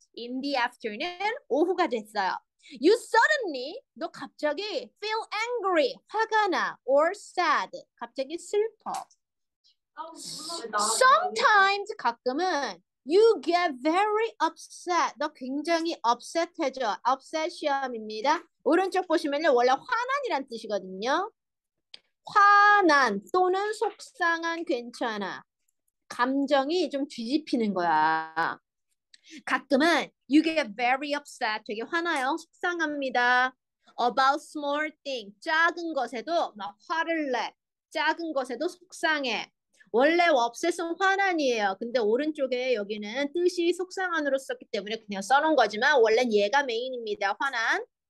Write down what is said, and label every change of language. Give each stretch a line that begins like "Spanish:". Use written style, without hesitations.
English: In the afternoon,
Korean: 오후가 됐어요.
English: You suddenly,
Korean: 너 갑자기
English: feel angry,
Korean: 화가 나,
English: or sad,
Korean: 갑자기 슬퍼.
English: Sometimes,
Korean: 가끔은,
English: you get very upset,
Korean: 너 굉장히
English: upset해져, upset이입니다.
Korean: 오른쪽 보시면 원래 화난이란 뜻이거든요. 화난 또는 속상한, 괜찮아. 감정이 좀 뒤집히는 거야. 가끔은
English: you get very upset
Korean: 되게 화나요 속상합니다
English: about small thing
Korean: 작은 것에도 막 화를 내 작은 것에도 속상해 원래 upset은 화난이에요 근데 오른쪽에 여기는 뜻이 속상한으로 썼기 때문에 그냥 써놓은 거지만 원래 얘가 메인입니다 화난